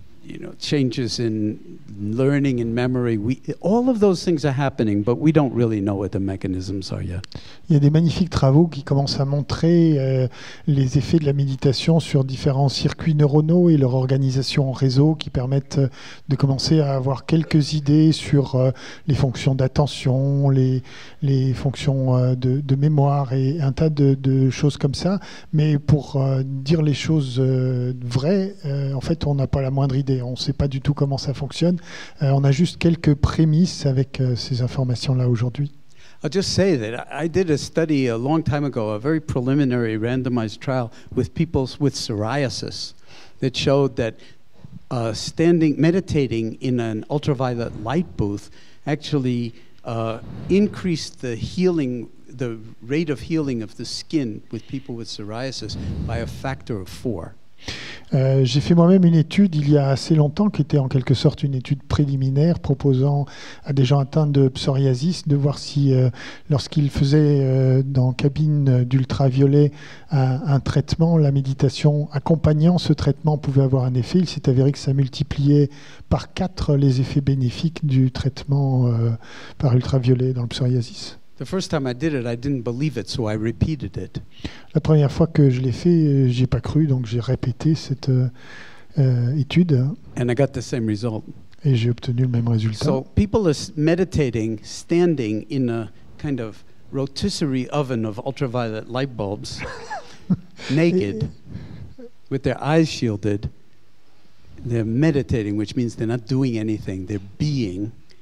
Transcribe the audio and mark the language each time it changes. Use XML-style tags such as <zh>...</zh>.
<en>you know, changes in learning and memory. All of those things are happening, but we don't really know what the mechanisms are yet.</en> <fr>Il y a des magnifiques travaux qui commencent à montrer les effets de la méditation sur différents circuits neuronaux et leur organisation en réseau, qui permettent de commencer à avoir quelques idées sur les fonctions d'attention, les fonctions de mémoire et un tas de choses comme ça. Mais pour dire les choses vraies, en fait, on n'a pas la moindre idée. On ne sait pas du tout comment ça fonctionne. On a juste quelques prémices avec ces informations-là aujourd'hui.</fr> <en>I'll just say that I did a study a long time ago, a very preliminary randomized trial with people with psoriasis that showed that standing, meditating in an ultraviolet light booth actually increased the healing, the rate of healing of the skin with people with psoriasis by a factor of 4.</en> <fr>J'ai fait moi-même une étude il y a assez longtemps qui était en quelque sorte une étude préliminaire proposant à des gens atteints de psoriasis de voir si lorsqu'ils faisaient dans cabine d'ultraviolet un traitement, la méditation accompagnant ce traitement pouvait avoir un effet. Il s'est avéré que ça multipliait par 4 les effets bénéfiques du traitement par ultraviolet dans le psoriasis.</fr> <en>The first time I did it, I didn't believe it, so I repeated it.</en> <fr>La première fois que je l'ai fait, j'ai pas cru, donc j'ai répété cette étude.</fr> <en>And I got the same result.</en> <fr>Et j'ai obtenu le même résultat.</fr> <en>So people are meditating, standing in a kind of rotisserie oven of ultraviolet light bulbs, naked, with their eyes shielded. They're meditating, which means they're not doing anything, they're being.</en>